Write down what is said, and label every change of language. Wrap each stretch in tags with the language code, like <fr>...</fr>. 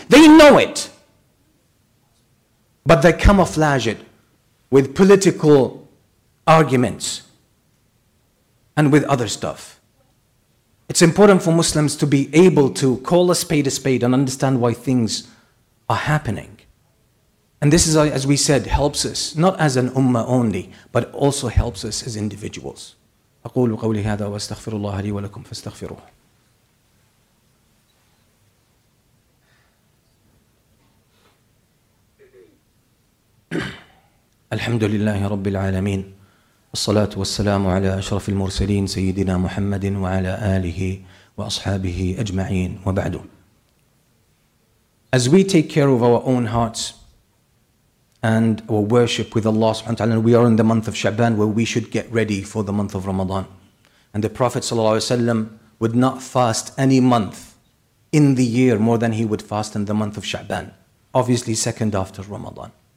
<en>They know it, but they camouflage it with political arguments and with other stuff. It's important for Muslims to be able to call a spade and understand why things are happening. And this is, as we said, helps us, not as an ummah only, but also helps us as individuals.</en> <ar>أقول قولي هذا وأستغفر الله لي ولكم فاستغفروه. الحمد لله رب العالمين الصلاة والسلام على أشرف المرسلين سيدنا محمد وعلى آله وأصحابه أجمعين وبعد.</ar> <en>As we take care of our own hearts and our worship with Allah subhanahu wa ta'ala, we are in the month of Sha'ban, where we should get ready for the month of Ramadan. And the Prophet sallallahu alaihi wasallam would not fast any month in the year more than he would fast in the month of Sha'ban, obviously second after Ramadan.</en>